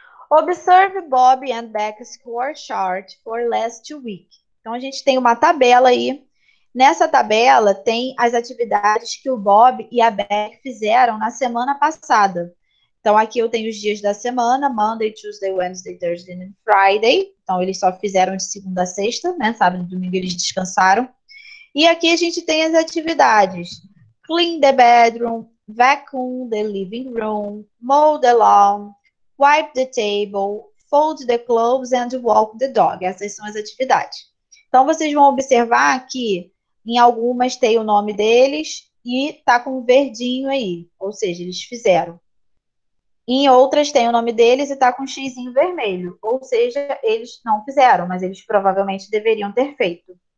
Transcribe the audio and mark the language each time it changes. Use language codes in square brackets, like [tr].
[en] Observe Bob and Beck's score chart for last week. [pt] Então, a gente tem uma tabela aí. Nessa tabela, tem as atividades que o Bob e a Beck fizeram na semana passada. Então, aqui eu tenho os dias da semana, [en] Monday, Tuesday, Wednesday, Thursday, and Friday. [pt] Então, eles só fizeram de segunda a sexta, né? Sábado e domingo eles descansaram. E aqui a gente tem as atividades. [en] Clean the bedroom, vacuum the living room, mow the lawn, wipe the table, fold the clothes and walk the dog. [pt] Essas são as atividades. Então, vocês vão observar que em algumas tem o nome deles e tá com um verdinho aí, ou seja, eles fizeram. Em outras tem o nome deles e tá com um xizinho vermelho, ou seja, eles não fizeram, mas eles provavelmente deveriam ter feito.